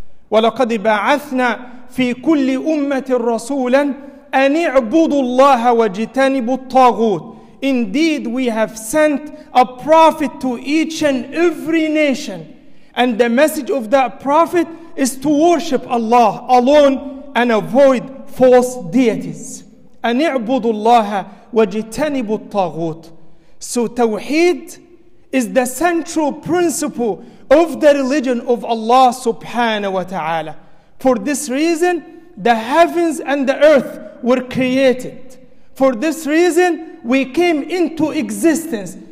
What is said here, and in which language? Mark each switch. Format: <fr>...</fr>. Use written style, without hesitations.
<ar>وَلَقَدْ بَعَثْنَا فِي كُلِّ أُمَّةٍ رَسُولًا أَنِ اعْبُدُوا اللَّهَ وَاجْتَنِبُوا الطَّاغُوتِ.</ar> <en>Indeed, we have sent a prophet to each and every nation, and the message of that prophet is to worship Allah alone and avoid false deities.</en> <ar>أن اعبدوا الله واجتنبوا الطاغوت.</ar> <en>So tawheed is the central principle of the religion of Allah subhanahu wa ta'ala. For this reason, the heavens and the earth were created. For this reason, we came into existence.</en>